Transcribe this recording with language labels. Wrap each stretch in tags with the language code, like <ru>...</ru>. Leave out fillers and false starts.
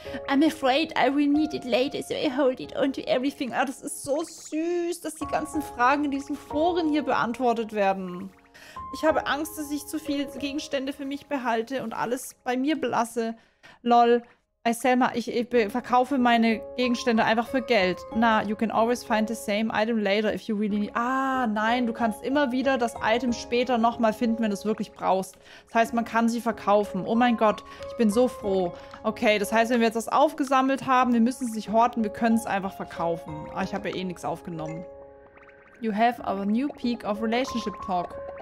<en>I'm afraid I will need it later, so I hold it onto everything.</en> <de>Ah, das ist so süß, dass die ganzen Fragen in diesen Foren hier beantwortet werden. Ich habe Angst, dass ich zu viele Gegenstände für mich behalte und alles bei mir belasse. Lol.</de> <en>I sell my,</en> <de>ich verkaufe meine Gegenstände einfach für Geld.</de> <en>Na, you can always find the same item later if you really need.</en> <de>Ah, nein, du kannst immer wieder das Item später nochmal finden, wenn du es wirklich brauchst. Das heißt, man kann sie verkaufen. Oh mein Gott, ich bin so froh. Okay, das heißt, wenn wir jetzt das aufgesammelt haben, wir müssen es nicht horten, wir können es einfach verkaufen. Ah, ich habe ja eh nichts aufgenommen.</de> <en>You have our new peak of relationship talk.</en>